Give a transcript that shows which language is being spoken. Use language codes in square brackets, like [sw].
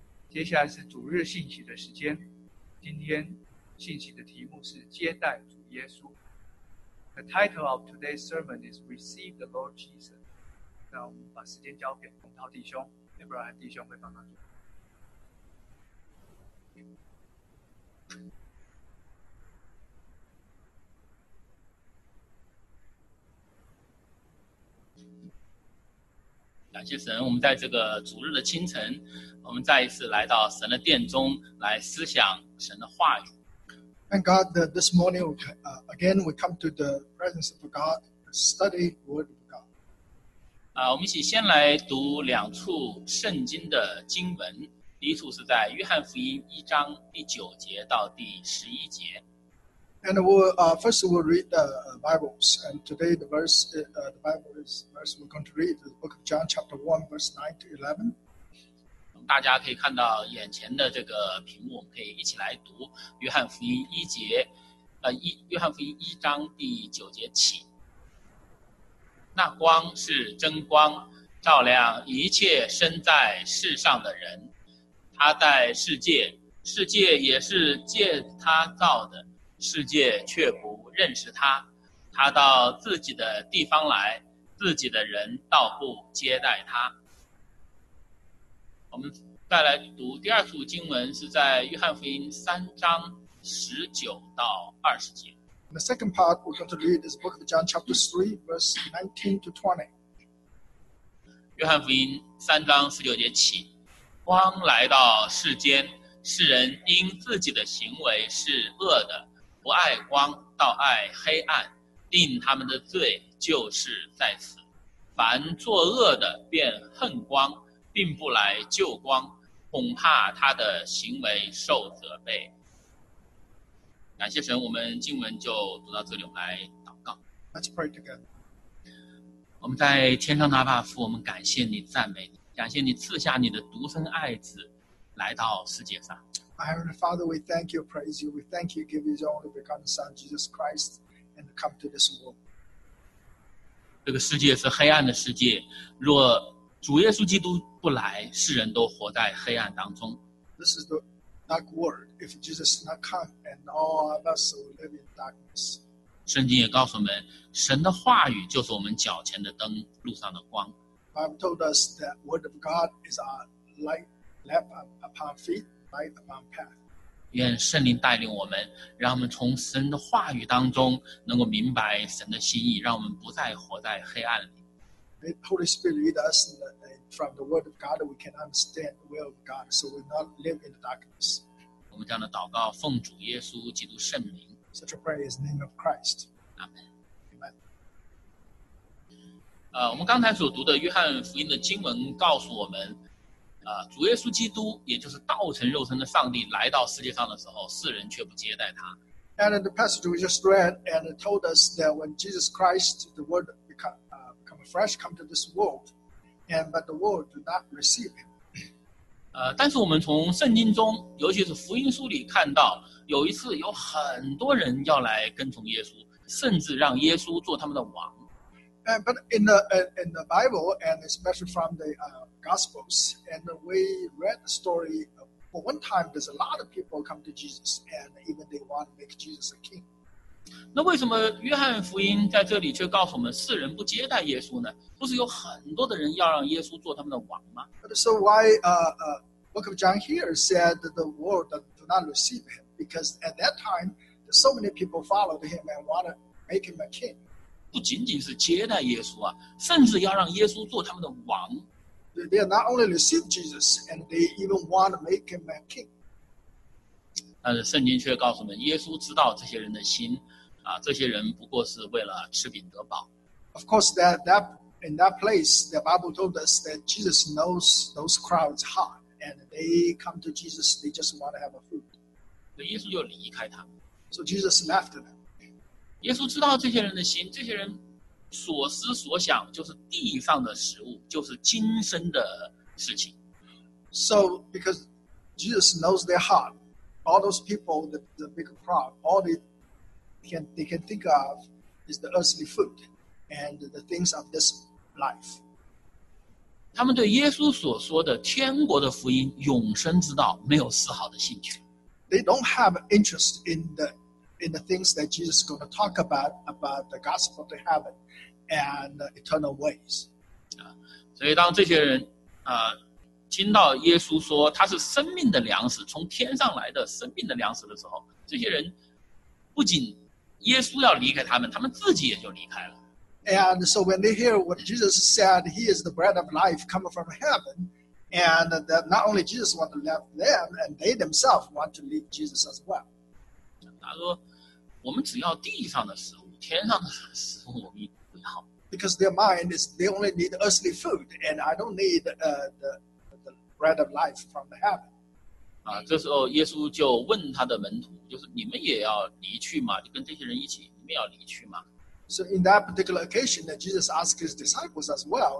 [zh] 接下来是主日信息的时间，今天信息的题目是接待主耶稣。 [en] The title of today's sermon is Receive the Lord Jesus。 [zh] 那我们把时间交给洪涛弟兄， Abraham 弟兄会帮忙。感谢神，我们在这个主日的清晨，我们再一次来到神的殿中来思想神的话语。 [en] Thank God that this morning again we come to the presence of God to study the Word of God. [zh] 我们一起先来读两处圣经的经文。第一处是在约翰福音一章第九节到第十一节。 [en] And first we'll read the Bibles. And today the verse, the Bible is verse we're going to read, the book of John chapter 1, verse 9 to 11. [zh] 大家可以看到眼前的这个屏幕，我们可以一起来读约翰福音一节，约翰福音一章第九节起。那光是真光，照亮一切身在世上的人。他在世界，世界也是借他造的，世界却不认识他。他到自己的地方来，自己的人倒不接待他。我们再来读第二处经文，是在约翰福音三章十九到二十节。 [en] The second part we're going to read is the book of John chapter 3, verse 19 to 20. [zh] 约翰福音三章十九节起，光来到世间，世人因自己的行为是恶的，不爱光，倒爱黑暗，定他们的罪就是在此。凡作恶的便恨光，并不来救光，恐怕他的行为受责备。感谢神，我们经文就读到这里，我们来祷告。 [en] Let's pray together. [zh] 我们在天上的阿爸父，我们感谢你，赞美你，感谢你赐下你的独生爱子来到世界上。 [en] Heavenly Father, we thank you, praise you, we thank you, give you your only begotten Son, Jesus Christ, and come to this world. [zh] 这个世界是黑暗的世界，若主耶稣基督不来，世人都活在黑暗当中。 [en] This is the dark world. If Jesus does not come, and all of us will live in darkness. [zh] 圣经也告诉我们，神的话语就是我们脚前的灯，路上的光。 [en] Bible told us that word of God is our light, lamp upon feet, light upon path. [zh] 愿圣灵带领我们，让我们从神的话语当中能够明白神的心意，让我们不再活在黑暗里。 [en] May the Holy Spirit lead us from the Word of God, we can understand the will of God, so we not live in the darkness. [zh] 我们这样的祷告，奉主耶稣基督圣名。 [en] Such a prayer is the name of Christ. Amen. Amen. [zh] 我们刚才所读的约翰福音的经文告诉我们，主耶稣基督，也就是道成肉身的上帝来到世界上的时候，世人却不接待他。 [en] And in the passage we just read, and it told us that when Jesus Christ, the Word, become flesh, come to this world, and but the world did not receive him. [zh] 但是我们从圣经中，尤其是福音书里看到，有一次有很多人要来跟从耶稣，甚至让耶稣做他们的王。 [en] But in the Bible, and especially from the Gospels, and we read the story, for one time, there's a lot of people come to Jesus, and even they want to make Jesus a king. [zh] 那为什么约翰福音在这里却告诉我们世人不接待耶稣呢？不是有很多的人要让耶稣做他们的王吗？ [en] But so why Book of John here said that the world do not receive him? Because at that time, so many people followed him and want to make him a king. [zh] 不仅仅是接待耶稣啊，甚至要让耶稣做他们的王。 [en] They are not only receive Jesus, and they even want to make him a king. [zh] 但是圣经却告诉我们，耶稣知道这些人的心，啊，这些人不过是为了吃饼得饱。 [en] Of course, that in that place, the Bible told us that Jesus knows those crowds' heart, and they come to Jesus, they just want to have a food. [zh] 所以耶稣就离开他。 [en] So Jesus left them. [zh] 耶稣知道这些人的心，这些人所思所想就是地上的食物，就是今生的事情。 [en] So because Jesus knows their heart, all those people, the big crowd, all they can think of is the earthly food and the things of this life. [zh] 他们对耶稣所说的天国的福音、永生之道没有丝毫的兴趣。 [en] They don't have interest in the things that Jesus is going to talk about the gospel to heaven and eternal ways. [zh] 所以当这些人听到耶稣说他是生命的粮食，从天上来的生命的粮食的时候，这些人不仅耶稣要离开他们，他们自己也就离开了。 [en] And so when they hear what Jesus said, he is the bread of life coming from heaven, and that not only Jesus want to leave them, and they themselves want to leave Jesus as well. [zh] 他说我们只要地上的食物，天上的食物我们不要。 [en] Because their mind is they only need earthly food, and I don't need the bread of life from the heaven. [zh] 这时候耶稣就问他的门徒，就是你们也要离去吗？就跟这些人一起，你们要离去吗？ [en] So in that particular occasion, that Jesus asked his disciples as well.